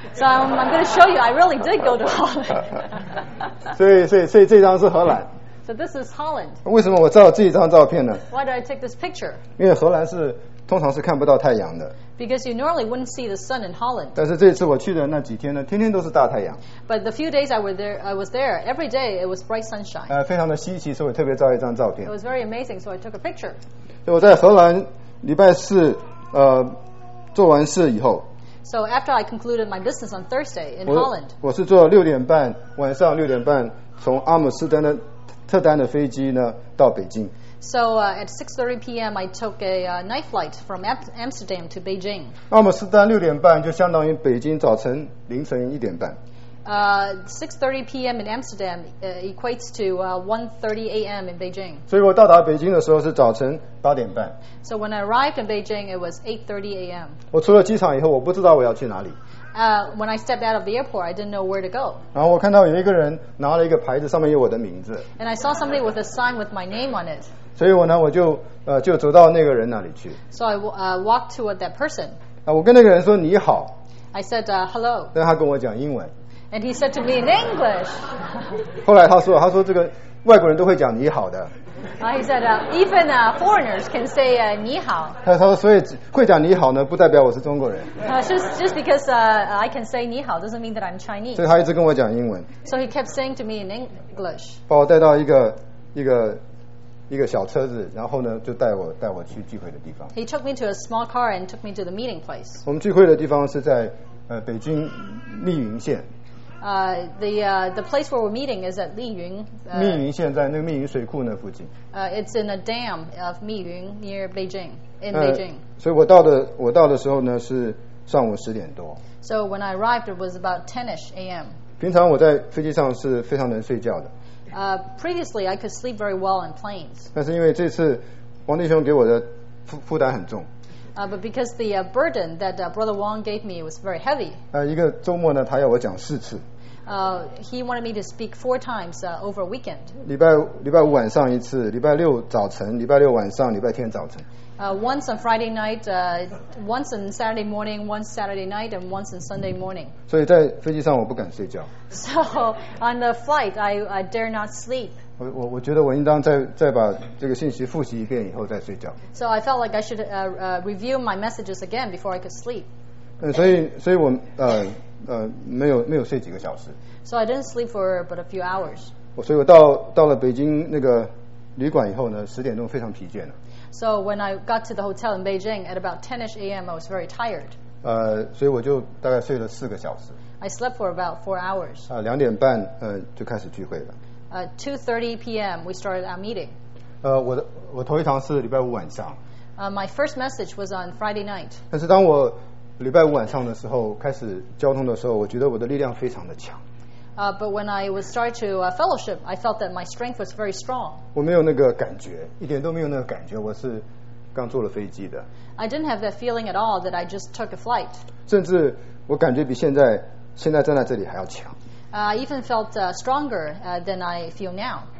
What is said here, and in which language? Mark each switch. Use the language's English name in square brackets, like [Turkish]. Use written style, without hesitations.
[English] So I'm going to show you I really did go to Holland. [Chinese] 所以这张是荷兰。 [English] So this is Holland. [Chinese] 为什么我照这张照片呢？ [English] Why did I take this picture? [Chinese] 因为荷兰是通常是看不到太阳的。 [English] Because you normally wouldn't see the sun in Holland. [Chinese] 但是这次我去的那几天呢，天天都是大太阳。 [English] But the few days I was there, every day it was bright sunshine. [Chinese] 非常的稀奇，所以我特别照一张照片。 [English] It was very amazing, so I took a picture. [Chinese] 我在荷兰礼拜四做完事以后。 [English] So after I concluded my business on Thursday in Holland. [Chinese] 我是坐六点半晚上六点半从阿姆斯特丹特丹的飞机呢到北京。 [English] So at 6:30 p.m. I took a night flight from Amsterdam to Beijing. [Chinese] 阿姆斯特丹六点半就相当于北京早晨凌晨一点半。 [English] 6:30 p.m. in Amsterdam equates to 1:30 a.m. in Beijing. [Chinese] 所以我到达北京的时候是早晨八点半。 [English] So when I arrived in Beijing, it was 8:30 a.m. [Chinese] 我出了机场以后，我不知道我要去哪里。 [English] When I stepped out of the airport, I didn't know where to go. [Chinese] 然后我看到有一个人拿了一个牌子，上面有我的名字。 [English] And I saw somebody with a sign with my name on it. [Chinese] 所以我就走到那个人那里去。 [English] So I walked toward that person. [Chinese] 我跟那个人说你好。 [English] I said hello. [Chinese] 但他跟我讲英文。 [English] And he said to me in English. [Chinese] 后来他说这个外国人都会讲你好的。 [English] He said even foreigners can say [Chinese] 你好。他说所以会讲你好呢，不代表我是中国人。 [English] Just because I can say [Chinese] 你好 [English] doesn't mean that I'm Chinese. [Chinese] 所以他一直跟我讲英文。 [English] So he kept saying to me in English. [Chinese] 把我带到一个小车子，然后呢就带我去聚会的地方。 [English] He took me to a small car and took me to the meeting place. [Chinese] 我们聚会的地方是在北京密云县。 [English] The place where we're meeting is at Liyun. [Chinese] 密云现在那个密云水库那附近。 [English] It's in a dam of Miyun near Beijing, in Beijing. [Chinese] 所以我到的时候呢是上午十点多。 [English] So when I arrived, it was about 10-ish a.m. [Chinese] 平常我在飞机上是非常能睡觉的。 [English] Previously, I could sleep very well on planes. [Chinese] 但是因为这次王弟兄给我的负担很重。 [English] But because the burden that Brother Wong gave me was very heavy. [Chinese] 一个周末呢，他要我讲四次。 [English] He wanted me to speak four times over a weekend. [Chinese] 礼拜五晚上一次，礼拜六早晨，礼拜六晚上，礼拜天早晨。 [English] Once on Friday night, once on Saturday morning, once Saturday night, and once on Sunday morning. [Chinese] 所以在飞机上我不敢睡觉。 [English] So on the flight, I dare not sleep. [Chinese] 我觉得我应当再把这个信息复习一遍以后再睡觉。 [English] So I felt like I should review my messages again before I could sleep. [Chinese] 所以我没有睡几个小时。 [English] So I didn't sleep for but a few hours. [Chinese] 所以我到了北京那个旅馆以后呢，十点钟非常疲倦了。 [English] So when I got to the hotel in Beijing at about 10-ish a.m., I was very tired. [Chinese] 所以我就大概睡了四个小时。 [English] I slept for about 4 hours. [Chinese] 两点半就开始聚会了。 [English] 2:30 p.m. we started our meeting. [Chinese] 我头一堂是礼拜五晚上。 [English] My first message was on Friday night. [Chinese] 但是当我礼拜五晚上的时候开始交通的时候，我觉得我的力量非常的强。 [English] But when I was starting to fellowship, I felt that my strength was very strong. [Chinese] 我没有那个感觉，一点都没有那个感觉。我是刚坐了飞机的。 [English] I didn't have that feeling at all that I just took a flight. [Chinese] 甚至我感觉比现在站在这里还要强。 [English] I even felt stronger than I feel now.